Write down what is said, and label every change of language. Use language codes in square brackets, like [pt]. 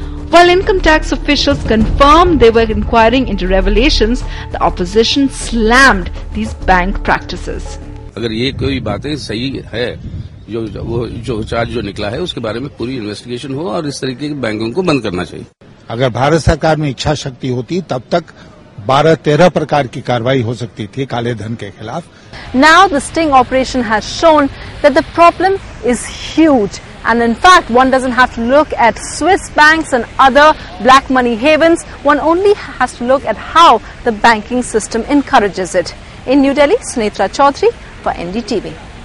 [en] While income tax officials confirmed they were inquiring into revelations, the opposition slammed these bank practices. If these things are right, the charge that has come out, there should be a full investigation and stop these banks. [hi] अगर भारत सरकार में इच्छा शक्ति होती तब तक 12-13 प्रकार की कार्रवाई हो सकती थी काले धन के खिलाफ. [en] Now the sting operation has shown that the problem is huge, and in fact one doesn't have to look at Swiss banks and other black money havens. One only has to look at how the banking system encourages it. In New Delhi, Sunetra Chaudhary for NDTV.